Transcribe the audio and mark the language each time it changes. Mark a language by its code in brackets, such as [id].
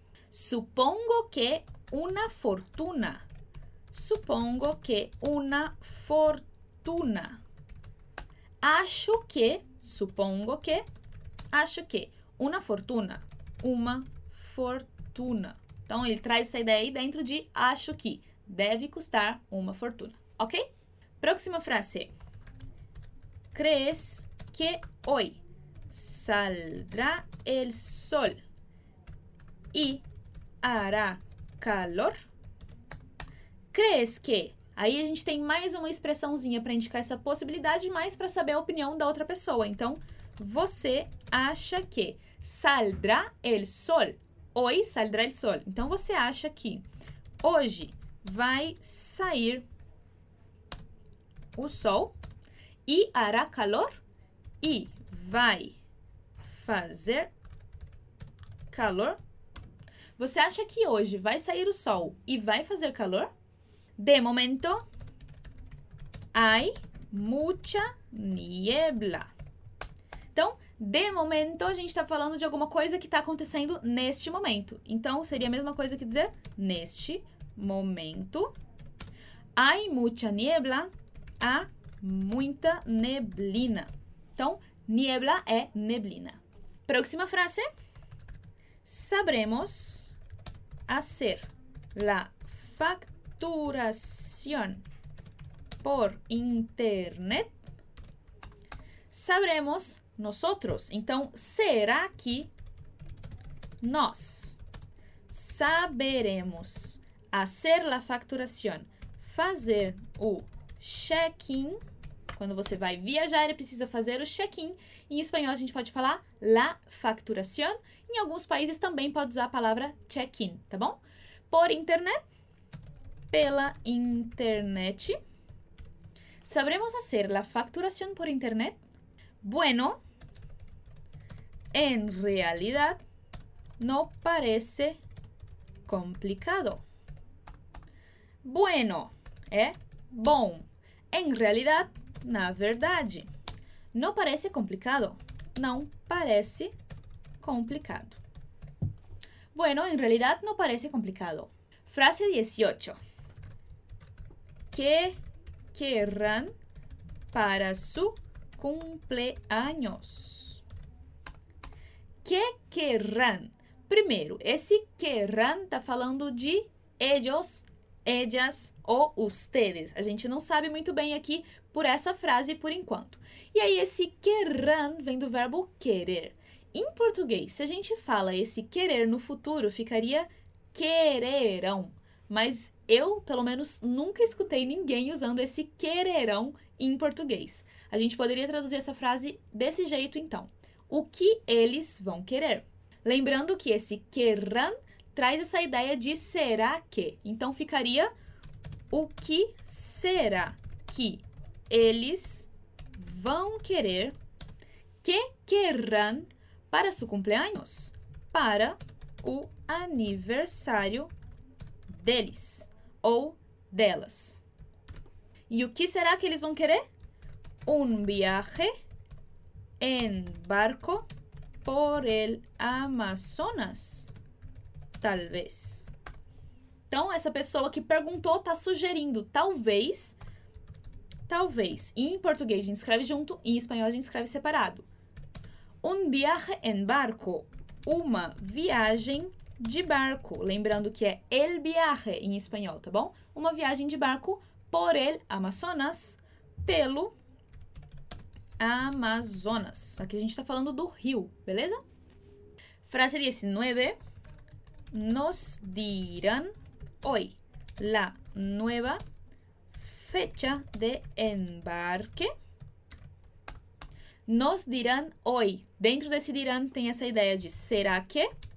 [es] Supongo que una fortuna. Supongo que una fortuna. [pt] Acho que, [es] supongo que, [pt] acho que, [es] una fortuna. [pt] Uma fortuna. Então, ele traz essa ideia aí dentro de acho que deve custar uma fortuna, ok? Próxima frase. [es] ¿Crees que hoy saldrá el sol y hará calor? ¿Crees que? [pt] Aí a gente tem mais uma expressãozinha para indicar essa possibilidade, mais para saber a opinião da outra pessoa. Então, você acha que [es] saldrá el sol? Hoy saldrá el sol. [pt] Então, você acha que hoje vai sair o sol e [es] hará calor [pt] e vai fazer calor. Você acha que hoje vai sair o sol e vai fazer calor? [es] De momento, hay mucha niebla. [pt] Então, de momento, a gente está falando de alguma coisa que está acontecendo neste momento. Então, seria a mesma coisa que dizer neste momento, [es] hay mucha niebla. [pt] Há muita neblina. Então, niebla é neblina. Próxima frase. [es] Sabremos hacer la facturación por internet. Sabremos nosotros. [pt] Então, será que nós saberemos [es] hacer la facturación? [pt] Fazer o check-in. Quando você vai viajar, ele precisa fazer o check-in. Em espanhol, a gente pode falar la facturación. Em alguns países, também pode usar a palavra check-in, tá bom? Por internet, pela internet. [es] Sabremos hacer la facturación por internet? Bueno, en realidad, no parece complicado. [pt] Bueno, é bom. [es] En realidad, [pt] na verdade, não parece complicado. Não parece complicado. [es] Bueno, en realidad, no parece complicado. Frase 18. ¿Qué querrán para su cumpleaños? ¿Qué querrán? [pt] Primeiro, esse querrán está falando de ellos. Ellas ou ustedes. A gente não sabe muito bem aqui por essa frase por enquanto. E aí, esse querrán vem do verbo querer. Em português, se a gente fala esse querer no futuro, ficaria quererão. Mas eu, pelo menos, nunca escutei ninguém usando esse quererão em português. A gente poderia traduzir essa frase desse jeito, então. O que eles vão querer? Lembrando que esse querrán traz essa ideia de será que. Então ficaria: o que será que eles vão querer? [es] Que querrán para su cumpleaños? [pt] Para o aniversário deles ou delas. E o que será que eles vão querer? [es] Un viaje en barco por el Amazonas, talvez. [pt] Então, essa pessoa que perguntou está sugerindo talvez, talvez. E em português a gente escreve junto, e em espanhol a gente escreve separado. [es] Un viaje en barco, [pt] uma viagem de barco, lembrando que é el viaje em espanhol, tá bom? Uma viagem de barco [es] por el Amazonas, [pt] pelo Amazonas. Aqui a gente tá falando do rio, beleza? Frase 19. [es] Nos dirán hoy la nueva fecha de embarque. Nos dirán hoy. [pt] Dentro desse dirán tem essa ideia de será que?